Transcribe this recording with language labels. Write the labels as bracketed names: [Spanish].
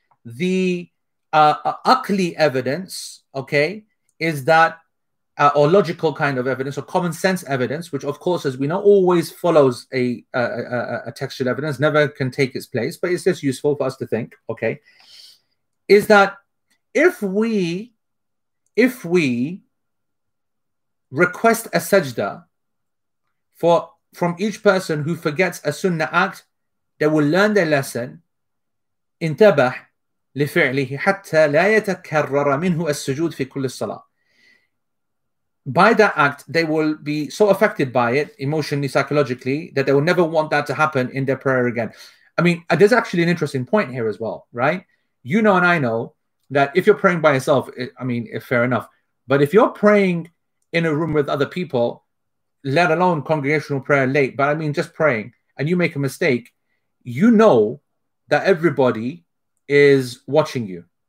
[English] The aqli evidence, okay, is that, or logical kind of evidence, or common sense evidence, which of course, as we know, always follows a textual evidence, never can take its place, but it's just useful for us to think, okay, is that if we request a sajda from each person who forgets a sunnah act, they will learn their lesson. [Arabic] انتبه لفعله حتى لا يتكرر منه السجود في كل الصلاة. [English] By that act, they will be so affected by it emotionally, psychologically, that they will never want that to happen in their prayer again. I mean, there's actually an interesting point here as well, right? You know, and I know that if you're praying by yourself, fair enough. But if you're praying in a room with other people, let alone congregational prayer late, but I mean just praying, and you make a mistake, you know that everybody is watching you.